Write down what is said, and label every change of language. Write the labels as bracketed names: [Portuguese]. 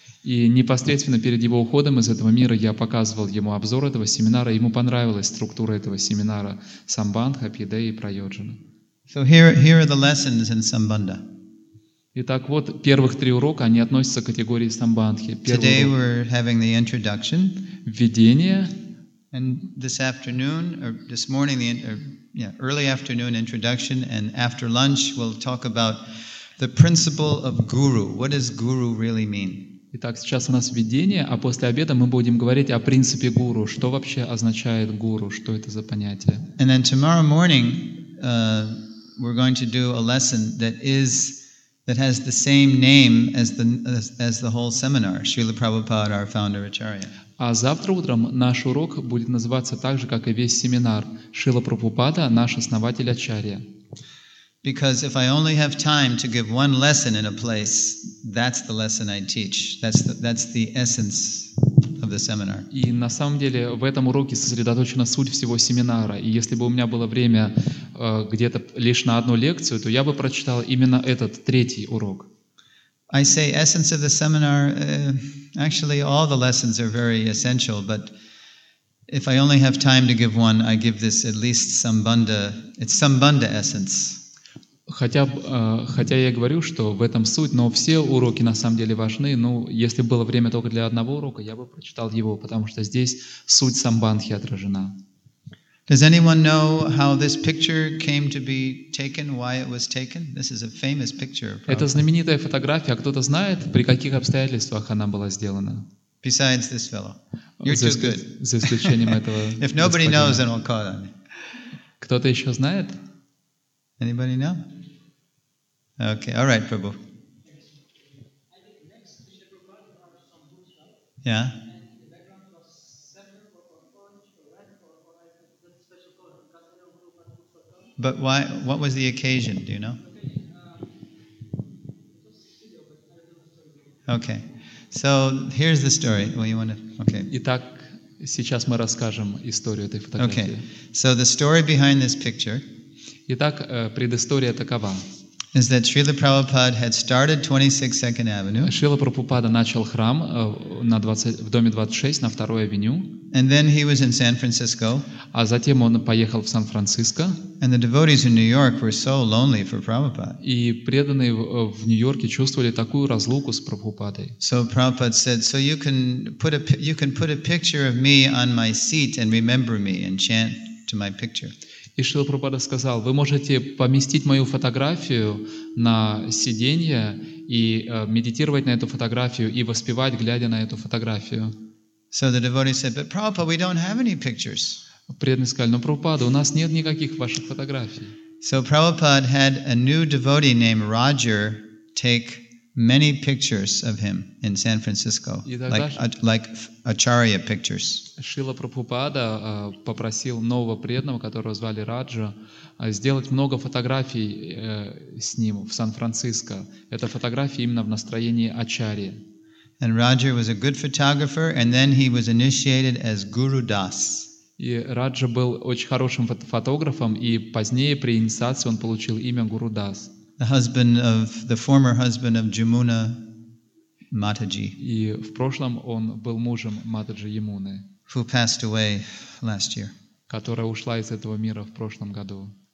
[Russian] И непосредственно перед его уходом из этого мира я показывал ему обзор этого семинара. Ему понравилась структура этого семинара Самбандха, Абхидея и Прайоджана. [English] So here are the lessons in Sambandha. [Russian] Итак, вот первых три урока, они относятся к категории Самбандхи. [English] Today we're having the introduction. [Russian] Введение. [English] And this afternoon, or this morning, early afternoon introduction, and after lunch we'll talk about the principle of guru. What does guru really mean? [Russian] Итак, сейчас у нас введение, а после обеда мы будем говорить о принципе гуру. Что вообще означает гуру? Что это за понятие? [English] And then tomorrow morning, we're going to do a lesson that has the same name as the whole seminar. Srila Prabhupada, our founder Acharya. [Russian] А завтра утром наш урок будет называться так же, как и весь семинар. Шрила Прабхупада, наш основатель Ачарья. [English] Because if I only have time to give one lesson in a place, that's the lesson I teach. That's the essence of the seminar. [Russian] И на самом деле в этом уроке сосредоточена суть всего семинара. И если бы у меня было время где-то лишь на одну лекцию, то я бы прочитал именно этот третий урок. [English] I say essence of the seminar. Actually, all the lessons are very essential, but if I only have time to give one, I give this at least Sambandha. It's Sambandha essence. [Russian] Хотя я говорю, что в этом суть, но все уроки на самом деле важны. Ну, если было время только для одного урока, я бы прочитал его, потому что здесь суть самбандхи отражена. [English] Does anyone know how this picture came to be taken? Why it was taken? This is a famous picture. [Russian] Это знаменитая фотография. Кто-то знает, при каких обстоятельствах она была сделана? [English] Besides this fellow, you're too good. [Russian] За исключением этого. [English] If nobody knows, then we'll call on you. [Russian] Кто-то еще знает? [English] Anybody know? Okay. All right, Prabhu. Yeah. But why? What was the occasion? Do you know? Okay. So here's the story. Well, you want to? Okay. [Russian] Итак, сейчас мы расскажем историю этой фотографии. [English] Okay. So the story behind this picture. [Russian] Итак, предыстория такова. [English] Is that Srila Prabhupada had started 26 Second Avenue. [Russian] Шрила Прабхупада начал храм на 20, в доме 26 на 2-й авеню. [English] And then he was in San Francisco. [Russian] А затем он поехал в Сан-Франциско. [English] And the devotees in New York were so lonely for Prabhupada. [Russian] И преданные в Нью-Йорке чувствовали такую разлуку с Прабхупадой. [English] So Prabhupada said, so you can put a picture of me on my seat and remember me and chant to my picture. [Russian] И Шрила Прабхупада сказал, вы можете поместить мою фотографию на сиденье и медитировать на эту фотографию и воспевать, глядя на эту фотографию. [English] So the devotee said, but Prabhupada, we don't have any pictures. [Russian] Преданный сказал, но Прабхупада, у нас нет никаких ваших фотографий. [English] So Prabhupada had a new devotee named Roger take many pictures of him in San Francisco, like Acharya pictures. [Russian] Шрила Прабхупада попросил нового преданного, которого звали Раджа, сделать много фотографий с ним в Сан-Франциско. Это фотографии именно в настроении Ачарьи. [English] And Roger was a good photographer, and then he was initiated as Guru Das. [Russian] И Раджа был очень хорошим фотографом, и позднее при инициации он получил имя Гуру Дас. [English] The former husband of Jamuna Mataji. [Russian] И в прошлом он был мужем Матаджи Ямуны, [English] who passed away last year. [Russian] Которая ушла из этого мира в прошлом году.